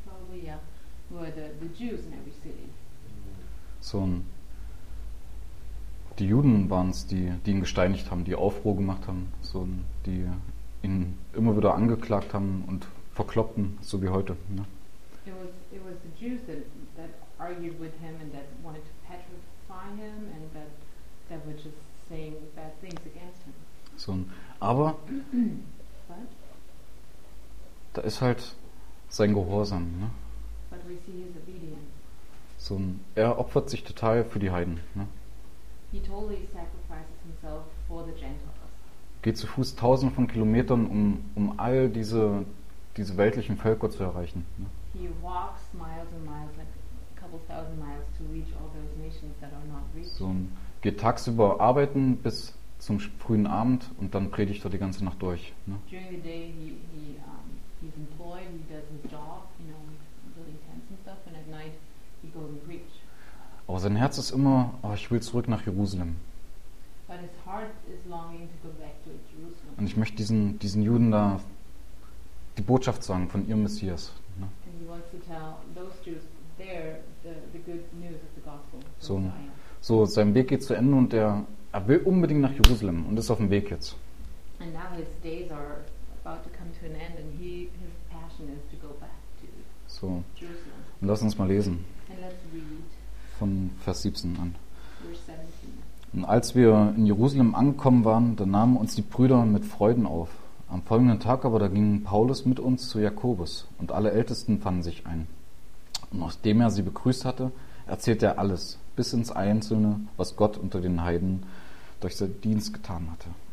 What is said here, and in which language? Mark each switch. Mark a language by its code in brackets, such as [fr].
[en] probably, yeah, were the Jews in every city. [de] So, die Juden waren es, die ihn gesteinigt haben, die Aufruhr gemacht haben, so, die ihn immer wieder angeklagt haben und verkloppten, so wie heute. Ne? [en] It was the Jews that argued with him and that wanted to petrify him and that were just saying bad things against him. [de] So, aber [en] but? [de] Da ist halt sein Gehorsam, ne? [en] But we see his obedience. [de] So, er opfert sich total für die Heiden, ne? [en] He totally sacrifices himself for the Gentiles. [de] Geht zu Fuß tausende von Kilometern, um all diese weltlichen Völker zu erreichen, ne? [en] He walks miles and miles, like thousand miles to reach all those nations that are not reached. [de] So, geht tagsüber arbeiten bis zum frühen Abend und dann predigt er die ganze Nacht durch. Ne? [en] During the day he's employed, he does his job, you know, really intense and stuff, and at night he goes and preach. [de] Aber sein Herz ist immer, ich will zurück nach Jerusalem. [en] But his heart is longing to go back to Jerusalem. [de] Und ich möchte diesen Juden da die Botschaft sagen von ihrem Messias. Ne? [en] And he wants to tell those Jews there the good news of the gospel. [de] So sein Weg geht zu Ende und er will unbedingt nach Jerusalem und ist auf dem Weg jetzt. [en] And now his days are about to come to an end and his passion is to go back to Jerusalem. [de] Und lass uns mal lesen. [en] And let's read. [de] Von Vers 17 an. [en] Verse 17. [de] Und als wir in Jerusalem angekommen waren, da nahmen uns die Brüder mit Freuden auf. Am folgenden Tag aber, da ging Paulus mit uns zu Jakobus und alle Ältesten fanden sich ein. Und nachdem er sie begrüßt hatte, erzählte er alles, bis ins Einzelne, was Gott unter den Heiden durch seinen Dienst getan hatte.